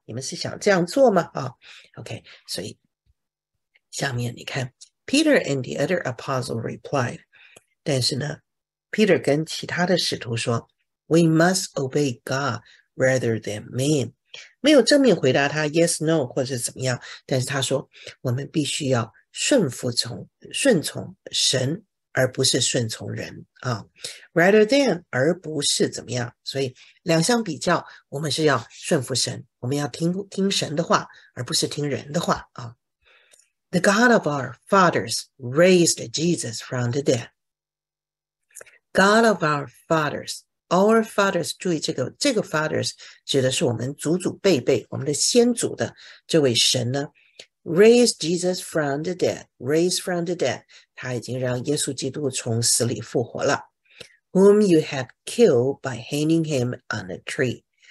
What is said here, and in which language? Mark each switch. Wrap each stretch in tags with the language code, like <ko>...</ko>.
<zh>你们是想这样做吗？啊 ，OK， 所以下面你看 ，</zh> <en>Peter and the other apostle replied，</en> <zh>但是呢 ，Peter 跟其他的使徒说 ，</zh> <en>We must obey God rather than man，</en> <zh>没有正面回答他</zh> <en>yes no</en> <zh>或者怎么样，但是他说，我们必须要顺从神。而不是顺从人啊 ，</zh> <en>rather than</en> <zh>而不是怎么样，所以两相比较，我们是要顺服神，我们要听神的话，而不是听人的话啊。</zh> <en>The God of our fathers raised Jesus from the dead. God of our fathers，</en> <zh>注意这个 fathers 指的是我们祖祖辈辈，我们的先祖的这位神呢。</zh> <en>Raise Jesus from the dead. Raise from the dead.</en> <zh>他已经让耶稣基督从死里复活了。</zh> <en>Whom you have killed by hanging him on a tree.</en>